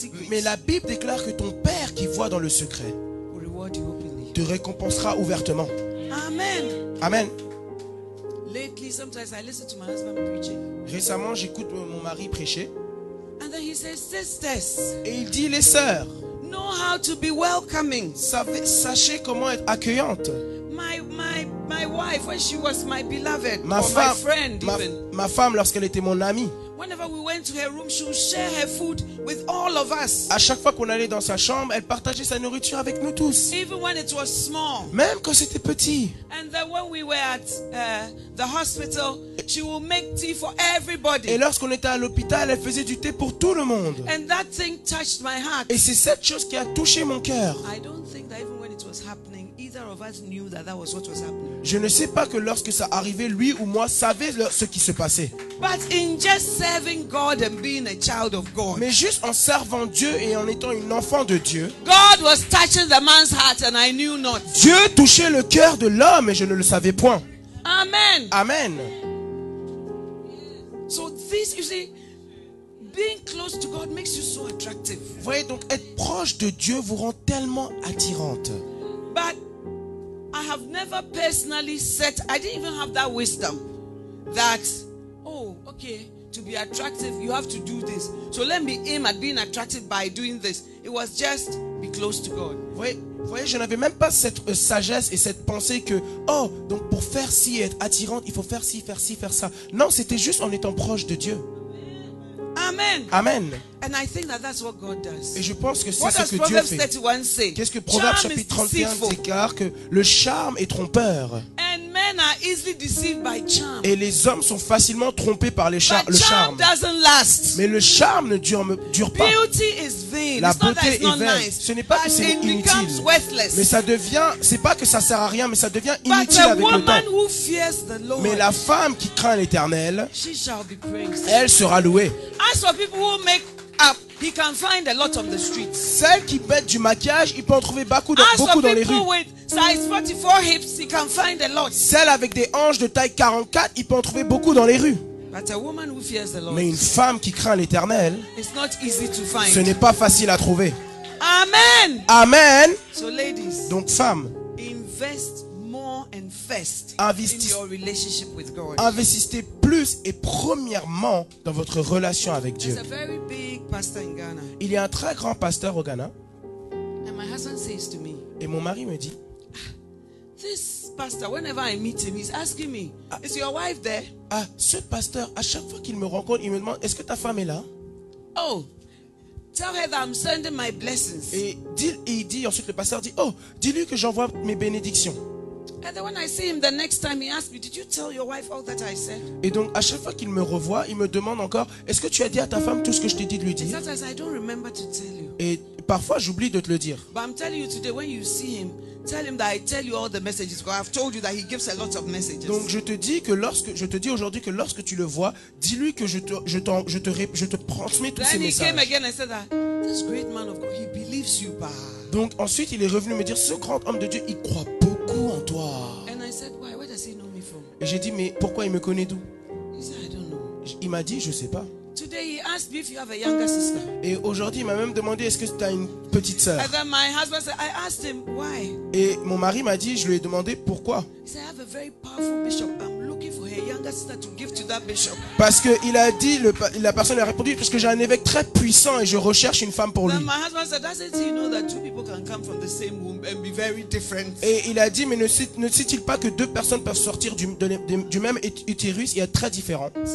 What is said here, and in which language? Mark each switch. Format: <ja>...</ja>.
<fr>Mais la Bible déclare que ton Père qui voit dans le secret te récompensera ouvertement.</fr> <en>Amen.</en> <fr>Amen.</fr> <en>Lately, sometimes I listen to my husband preaching.</en> <fr>Récemment, j'écoute mon mari prêcher.</fr> <en>And then he says, sisters,</en> <fr>et il dit, les sœurs,</fr> <en>know how to be welcoming.</en> <fr>Sachez comment être accueillante.</fr> <en>My wife, when she was my beloved, my friend,</en> <fr>ma femme lorsqu'elle était mon amie.</fr> <en>Whenever we went to her room, she would share her food with all of us.</en> <fr>À chaque fois qu'on allait dans sa chambre, elle partageait sa nourriture avec nous tous.</fr> <en>Even when it was small.</en> <fr>Même quand c'était petit.</fr> <en>And then when we were at the hospital, she would make tea for everybody.</en> <fr>Et lorsqu'on était à l'hôpital, elle faisait du thé pour tout le monde.</fr> <en>And that thing touched my heart.</en> <fr>Et c'est cette chose qui a touché mon cœur.</fr> <en>I don't think that even when it was happening. Of us knew that that was what was happening.</en> <fr>Je ne sais pas que lorsque ça arrivait, lui ou moi savait ce qui se passait.</fr> <en>But in just serving God and being a child of God.</en> <fr>Mais juste en servant Dieu et en étant une enfant de Dieu.</fr> <en>God was touching the man's heart and I knew not.</en> <fr>Dieu touchait le cœur de l'homme et je ne le savais point.</fr> <en>Amen.</en> <fr>Amen.</fr> <en>So this, you see, being close to God makes you so attractive.</en> <fr>Voyez donc, être proche de Dieu vous rend tellement attirante.</fr> <en>But I have never personally set. I didn't even have that wisdom. That, oh, okay. To be attractive, you have to do this. So let me aim at being attractive by doing this. It was just be close to God.</en> <fr>Voyez, je n'avais même pas cette sagesse et cette pensée que, oh, donc pour faire ci et être attirante, il faut faire ci, faire ci, faire ça. Non, c'était juste en étant proche de Dieu.</fr> <en>Amen.</en> <fr>Amen.</fr> <en>And I think that that's what God does.</en> <fr>Et je pense que c'est ce que Dieu fait.</fr> <en>What does Proverbs 31 say?</en> <fr>Qu'est-ce que Proverbes chapitre 31 déclare? Que le charme est trompeur.</fr> <en>And men are easily deceived by charm.</en> <fr>Et les hommes sont facilement trompés par le charme.</fr> <en>But charm doesn't last.</en> <fr>Mais le charme ne dure pas.</fr> <en>Beauty is vain.</en> <fr>La beauté est vaine. Ce n'est pas que c'est inutile.</fr> <en>It becomes worthless.</en> <fr>Mais ça devient, c'est pas que ça sert à rien, mais ça devient inutile avec le temps.</fr> <en>But the woman who fears the Lord.</en> <fr>Mais la femme qui craint l'Éternel,</fr> <en>she shall be praised.</en> <fr>Elle sera louée.</fr> <en>As for people who make up, he can find a lot on the streets.</en> <fr>Celles qui mettent du maquillage, il peut en trouver beaucoup dans les rues.</fr> <en>As for people with size 44 hips, he can find a lot.</en> <fr>Celles avec des hanches de taille 44, il peut en trouver beaucoup dans les rues.</fr> <en>But a woman who fears the Lord.</en> <fr>Mais une femme qui craint l'Éternel,</fr> <en>it's not easy to find.</en> <fr>Ce n'est pas facile à trouver.</fr> <en>Amen.</en> <fr>Amen.</fr> <en>So ladies,</en> <fr>donc femmes,</fr> <en>invest more and first in your relationship with God.</en> <fr>Investissez plus et premièrement dans votre relation avec Dieu.</fr> <en>There's a very big pastor in Ghana.</en> <fr>Il y a un très grand pasteur au Ghana.</fr> <en>And my husband says to me,</en> <fr>et mon mari me dit,</fr> <en>this pastor, whenever I meet him, he's asking me, is your wife there?</en> <fr>Ah, ce pasteur, à chaque fois qu'il me rencontre, il me demande, est-ce que ta femme est là?</fr> <en>Oh, tell her that I'm sending my blessings.</en> <fr>Et il dit, ensuite le pasteur dit, oh, dis-lui que j'envoie mes bénédictions.</fr> <en>And then when I see him the next time, he asks me, did you tell your wife all that I said?</en> <fr>Et donc à chaque fois qu'il me revoit, il me demande encore, est-ce que tu as dit à ta femme tout ce que je t'ai dit de lui dire?</fr> <en>Sometimes I don't remember to tell you.</en> <fr>Et parfois j'oublie de te le dire.</fr> <en>But I'm telling you today, when you see him, tell him that I tell you all the messages. Because I've told you that he gives a lot of messages.</en> <fr>Donc je te dis aujourd'hui que lorsque tu le vois, dis-lui que je te transmets tous</fr> <en>then Then he came again and said that this great man of God, he believes you, pa.</en> <fr>Donc ensuite il est revenu me dire, ce grand homme de Dieu, il croit beaucoup en toi.</fr> <en>And I said, why? Where does he know me from?</en> <fr>Et j'ai dit, mais pourquoi il me connaît d'où?</fr> <en>He said, I don't know.</en> <fr>Il m'a dit, je sais pas.</fr> <en>Today he asked me if you have a younger sister.</en> <fr>Et aujourd'hui il m'a même demandé, est-ce que tu as une petite sœur?</fr> <en>And then my husband said, I asked him why.</en> <fr>Et mon mari m'a dit, je lui ai demandé pourquoi.</fr> <en>He said, I have a very powerful bishop. I'm looking for her younger. minister to give to that bishop.</en> <fr>Parce que il a dit, la personne a répondu, parce que j'ai un évêque très puissant et je recherche une femme pour lui.</fr> <en>My husband said, doesn't he know that two people can come from the same womb and be very different?</en> <fr>Et il a dit, mais ne sait-il pas que deux personnes peuvent sortir du même utérus et être très différents?</fr>